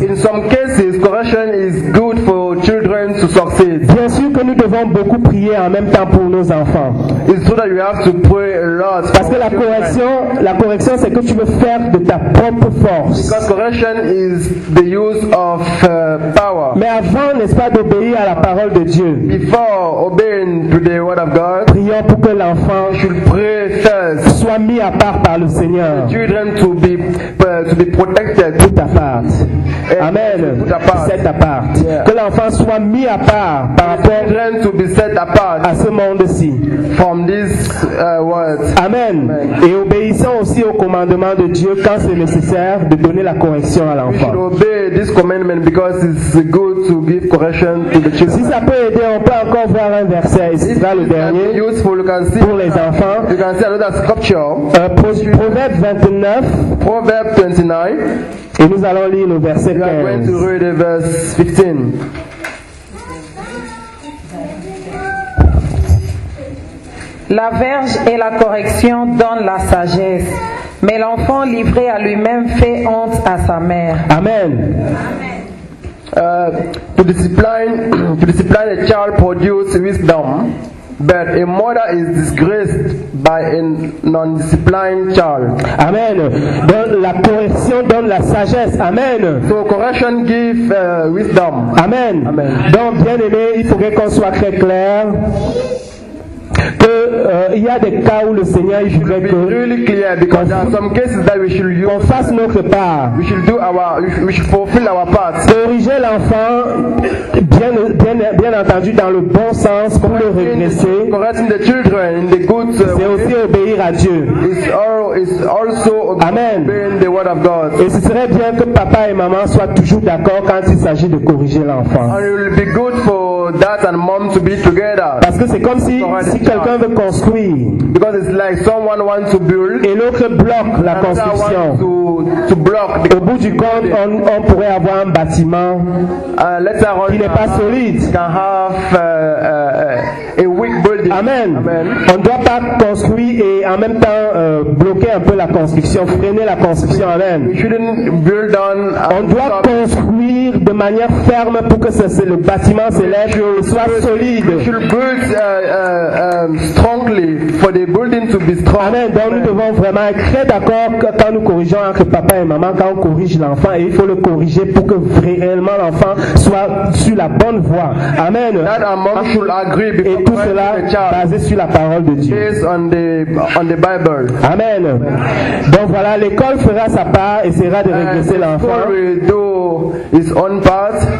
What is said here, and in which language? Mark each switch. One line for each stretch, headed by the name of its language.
English: In some cases, correction is good for children to succeed.
French: Bien sûr que nous devons beaucoup prier en même temps pour nos enfants.
English: It's true that you have to pray a lot.
French: Parce que la correction, c'est que tu veux faire de ta propre force.
English: Because correction is the use of power.
French: Mais avant, n'est-ce pas, d'obéir à la parole de Dieu.
English: Before obeying to the word of God,
French: prions pour que l'enfant soit mis à part par le Seigneur.
English: Children to be protected.
French: Tout à part. Amen.
English: Set apart. Yeah.
French: Que l'enfant soit mis à part par rapport
English: children to be set apart
French: à ce monde-ci.
English: From this world. Amen.
French: Et obéissant aussi au commandement de Dieu quand c'est nécessaire de donner la correction à l'enfant.
English: We should obey this commandment because it's good to give correction to the children.
French: Si ça peut aider, on peut encore voir un verset. Et ce sera le dernier.
English: Useful, you can see
French: pour les enfants.
English: You can see another scripture.
French: Proverbe 29. Proverbe 29. Et nous allons lire le verset 15.
English: We are going to read the verse 15.
French: La verge et la correction donnent la sagesse, mais l'enfant livré à lui-même fait honte à sa mère. Amen.
English: To discipline a child produces wisdom. But a mother is disgraced by a non-disciplined child.
French: Amen. Donc la correction donne la sagesse. Amen.
English: So correction gives wisdom. Amen. Amen.
French: Donc bien aimé, il faudrait qu'on soit très clair. que il y a des cas où le Seigneur jugerait que
English: really clear, because there are some cases that we should use,
French: qu'on fasse notre part,
English: we should do our, we should fulfill our part.
French: Corriger l'enfant bien entendu dans le bon sens pour le redresser.
English: Correcting the children in the good way.
French: C'est aussi obéir à Dieu.
English: It's also obeying the word of God.
French: Et ce serait bien que papa et maman soient toujours d'accord quand il s'agit de corriger l'enfant.
English: And it will be good for dad and mom to be together.
French: Parce que c'est comme si quelqu'un veut construire.
English: Because it's like someone wants to build.
French: Et l'autre bloque la construction.
English: To block.
French: Au bout du compte, on pourrait avoir un bâtiment qui n'est pas solide.
English: Can have a weak building. Amen. Amen.
French: On ne doit pas construire et en même temps bloquer un peu la construction, freiner la construction. Amen.
English: We shouldn't build on.
French: On doit construire de manière ferme pour que c'est le bâtiment céleste soit solide.
English: We should build strongly for the building to be strong. Amen.
French: Donc nous devons vraiment être très d'accord que quand nous corrigeons entre papa et maman, quand on corrige l'enfant, et il faut le corriger pour que réellement l'enfant soit sur la bonne voie. Amen.
English: That our mom should agree before.
French: Et tout cela basé sur la parole de Dieu.
English: Based on the Bible. Amen.
French: Donc voilà, l'école fera sa part et essaiera de redresser l'enfant.
English: The school will do its own part.